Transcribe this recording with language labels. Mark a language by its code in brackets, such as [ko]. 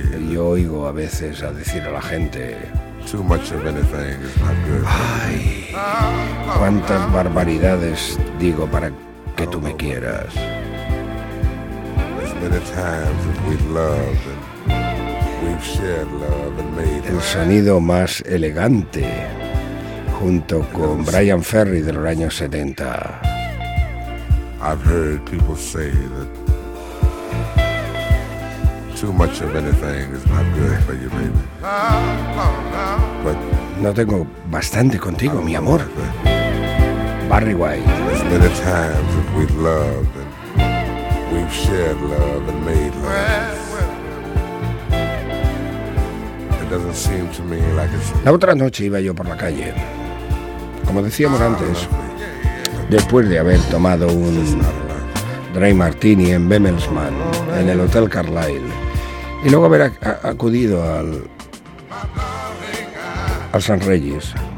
[es] Yo oigo a veces a decir a la gente, [en] too much of anything is not good. [es] Ay, cuántas barbaridades digo para que tú me quieras. [en] Many times we've loved and we've shared love and made [es] el sonido más elegante junto con Brian Ferry de los años 70. [en] I've heard people say that too much of anything is not good for you, baby. But [es] no tengo bastante contigo, mi amor. Barry White. [en] Many times we've loved and we've shared love and made love. It doesn't seem to me like it's... [es] La otra noche iba yo por la calle, como decíamos antes, después de haber tomado un Dry Martini en Bemelsman, en el Hotel Carlyle, y luego haber acudido al San Regis.